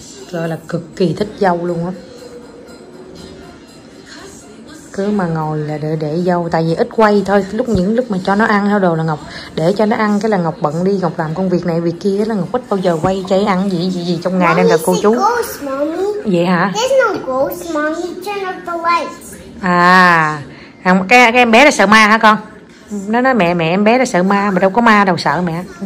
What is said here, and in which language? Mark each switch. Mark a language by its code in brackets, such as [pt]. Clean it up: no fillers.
[vi] Gọi là cực kỳ thích dâu luôn á. Cứ mà ngồi là để dâu, tại vì ít quay thôi, lúc mà cho nó ăn theo đồ là Ngọc. Để cho nó ăn cái là Ngọc bận đi, Ngọc làm công việc này việc kia là Ngọc ít bao giờ quay cháy ăn gì trong ngày nên là cô chú. Vậy hả? [en] There's no ghost, mommy, turn off the lights. [vi] À, cái em bé là sợ ma hả con? Nó nói mẹ, mẹ em bé là sợ ma, mà đâu có ma đâu sợ mẹ.